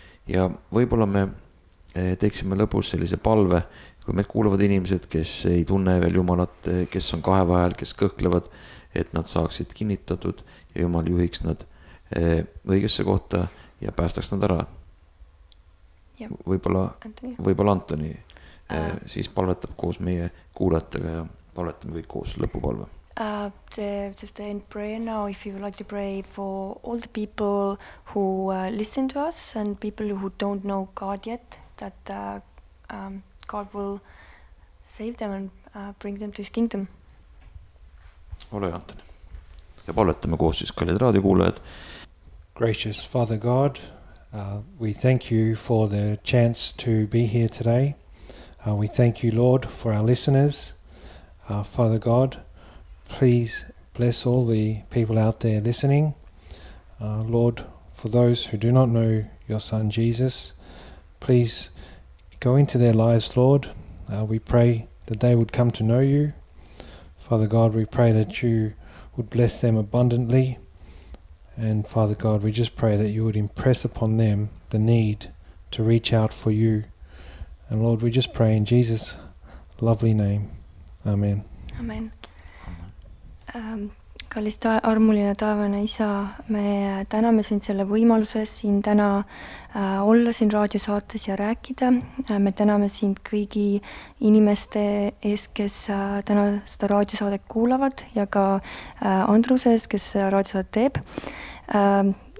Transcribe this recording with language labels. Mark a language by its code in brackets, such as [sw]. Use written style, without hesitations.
[et] Ja võibolla me teeksime lõpus sellise palve, kui meid kuulevad inimesed, kes ei tunne veel Jumalat, kes on kahe vahel, kes kõhklevad, et nad saaksid kinnitatud ja Jumal juhiks nad õigesse kohta ja päästaks nad ära. Ja. Võibolla Antoni siis palvetab koos meie kuulajatega ja palvetame kõik koos lõpupalve. [en] Just end prayer now, if you would like to pray for all the people who listen to us and people who don't know God yet, that God will save them and bring them to his kingdom. [et] Ole Antoni. Ja palvetame koos siis kallid raadiokuulajad. [en] Gracious Father God, we thank you for the chance to be here today. We thank you, Lord, for our listeners. Father God, please bless all the people out there listening. Lord, for those who do not know your son Jesus, please go into their lives, Lord. We pray that they would come to know you. Father God, we pray that you would bless them abundantly. And Father God, we just pray that you would impress upon them the need to reach out for you. And Lord, we just pray in Jesus' lovely name. Amen. Amen. [et] Kallis armuline taevane isa, me täname sind selle võimaluses siin täna olla siin raadiosaates ja rääkida. Me täname sind kõigi inimeste ees, kes täna seda raadiosaadet kuulavad ja ka Andruse ees, kes raadiosaadet teeb.